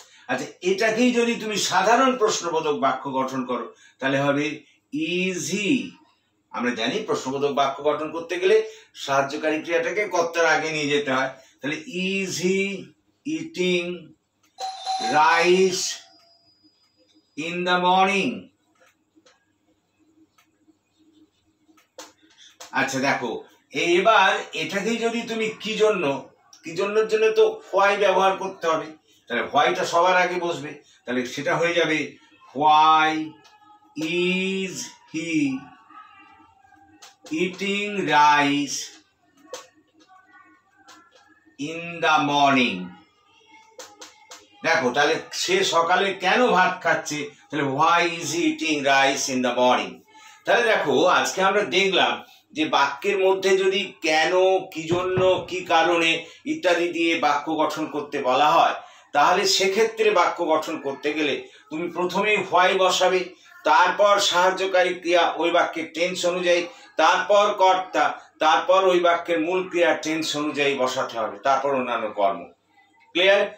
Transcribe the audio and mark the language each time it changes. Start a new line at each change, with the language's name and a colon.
Bangla: আচ্ছা এটাকেই যদি তুমি সাধারণ প্রশ্নবোধক বাক্য গঠন করো, তাহলে হবে
English: is he,
Bangla: আমরা জানি প্রশ্নবোধক বাক্য গঠন করতে গেলে সাহায্যকারী ক্রিয়াটাকে কর্তার আগে নিয়ে যেতে হয়, তাহলে
English: Is he eating rice in the morning.
Bangla: আচ্ছা দেখো এবার এটাকেই যদি তুমি কি জন্য, কি জন্যের জন্য তো হোয়াই ব্যবহার করতে হবে, তাহলে হোয়াইটা সবার আগে বসবে, তাহলে সেটা হয়ে যাবে
English: Why is he eating rice in the morning?
Bangla: দেখো তাহলে সে সকালে কেন ভাত খাচ্ছে, তাহলে
English: why is he eating rice in the morning?
Bangla: তাহলে দেখো আজকে আমরা দেখলাম যে বাক্যের মধ্যে যদি কেন, কি জন্য, কি কারণে ইত্যাদি দিয়ে বাক্য গঠন করতে বলা হয়, তাহলে সেক্ষেত্রে বাক্য গঠন করতে গেলে তুমি প্রথমেই হোয়াই বসাবে, তারপর সাহায্যকারী ক্রিয়া ওই বাক্যের টেন্স অনুযায়ী, তারপর কর্তা, তারপর ওই বাক্যের মূল ক্রিয়া টেন্স অনুযায়ী বসাতে হবে, তারপর অন্যান্য কর্ম। ক্লিয়ার?